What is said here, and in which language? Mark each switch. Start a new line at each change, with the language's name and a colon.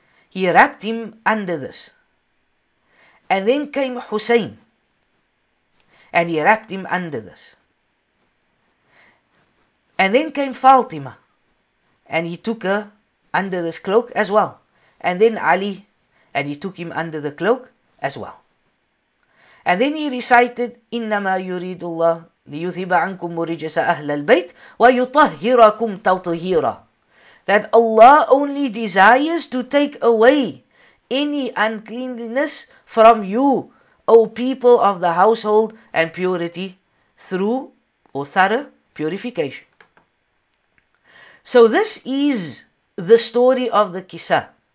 English: He wrapped him under this. And then came Hussein, and he wrapped him under this. And then came Fatima, and he took her under this cloak as well. And then Ali, and he took him under the cloak as well. And then he recited,
Arabic: إِنَّمَا يُرِيدُ اللَّهُ لِيُثِبَ عَنْكُمْ مُرِجَسَ أَهْلَ الْبَيْتِ وَيُطَهِّرَكُمْ تَطْهِيرًا.
English: That Allah only desires to take away any uncleanliness from you, O people of the household, and purity through or thorough purification. So this is the story of the Kisah.